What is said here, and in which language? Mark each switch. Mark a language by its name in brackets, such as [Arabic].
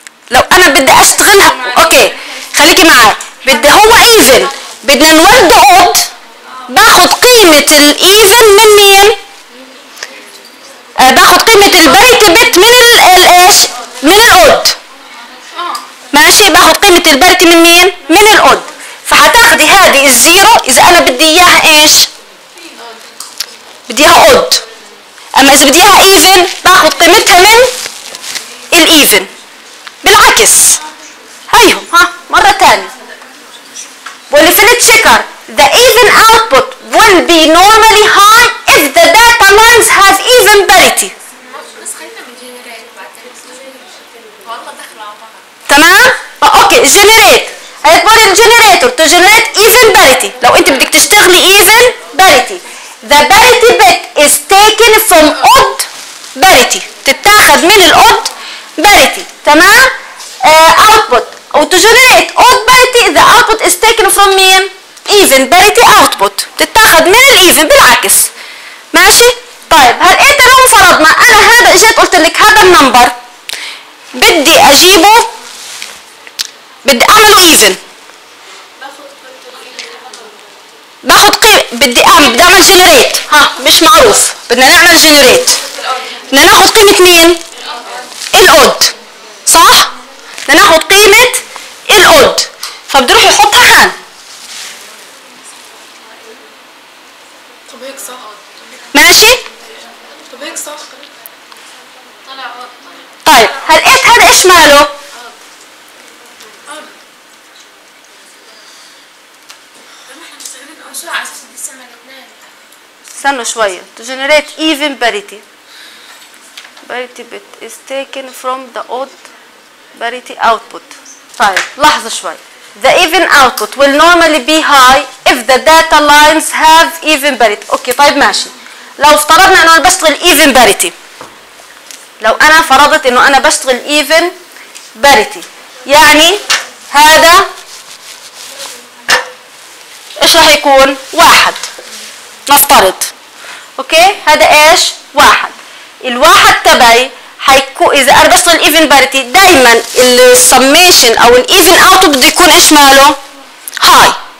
[Arabic] لو انا بدي اشتغلها، اوكي خليكي معي، بدي هو ايفن، بدنا نولده اود، باخذ قيمة الايفن من مين؟ باخذ قيمة الباريتي بت من الايش؟ من الاود، ماشي. باخذ قيمة الباريتي من مين؟ من الاود. فحتاخذي هذه الزيرو اذا انا بدي اياها ايش؟ بدي اياها اود. اما اذا بدي اياها ايفن باخذ قيمتها من الايفن، بالعكس. هيهم ها مره ثانيه، بقول في التشيكر [English] the even output will be normally high if the data lines have even parity. [Arabic] تمام اوكي جنريت، هيكبر الجنريتور تو جنريت ايفن باريتي. لو انت بدك تشتغلي ايفن باريتي، [English] the parity bit is taken from odd parity، [Arabic] تتاخذ من الاود باريتي، تمام؟ [English] output او to generate odd parity the output is taken from mean even parity output، [Arabic] تتاخذ من الايفن بالعكس، ماشي. طيب هل انت لو فرضنا انا هذا اجيت قلت لك هذا النمبر بدي اجيبه، بدي اعمله ايفن، باخذ قيمة، بدي اعمل، بدي اعمل جنريت، ها مش معروف، بدنا نعمل جنريت، بدنا ناخذ قيمة مين؟ الاود، صح؟ بدنا ناخذ قيمة الاود، فبدي اروح احطها هان. طب هيك صح؟ ماشي؟ طب هيك صح؟ طلع اود. طيب هل ايش هذا ايش ماله؟ استنوا شوية [English] to generate even parity. Parity bit is taken from the odd parity output. [Arabic] طيب لحظة شوي. [English] The even output will normally be high if the data lines have even parity. [Arabic] اوكي طيب ماشي. لو افترضنا انه انا بشتغل [English] even parity. [Arabic] لو انا فرضت انه انا بشتغل ايفن باريتي، يعني هذا ايش راح يكون؟ واحد نفترض، اوكي هذا ايش؟ واحد. الواحد تبعي حيكون اذا انا بشتغل ايفن باريتي دائما السميشن او الايفن اوت بده يكون ايش ماله؟ هاي.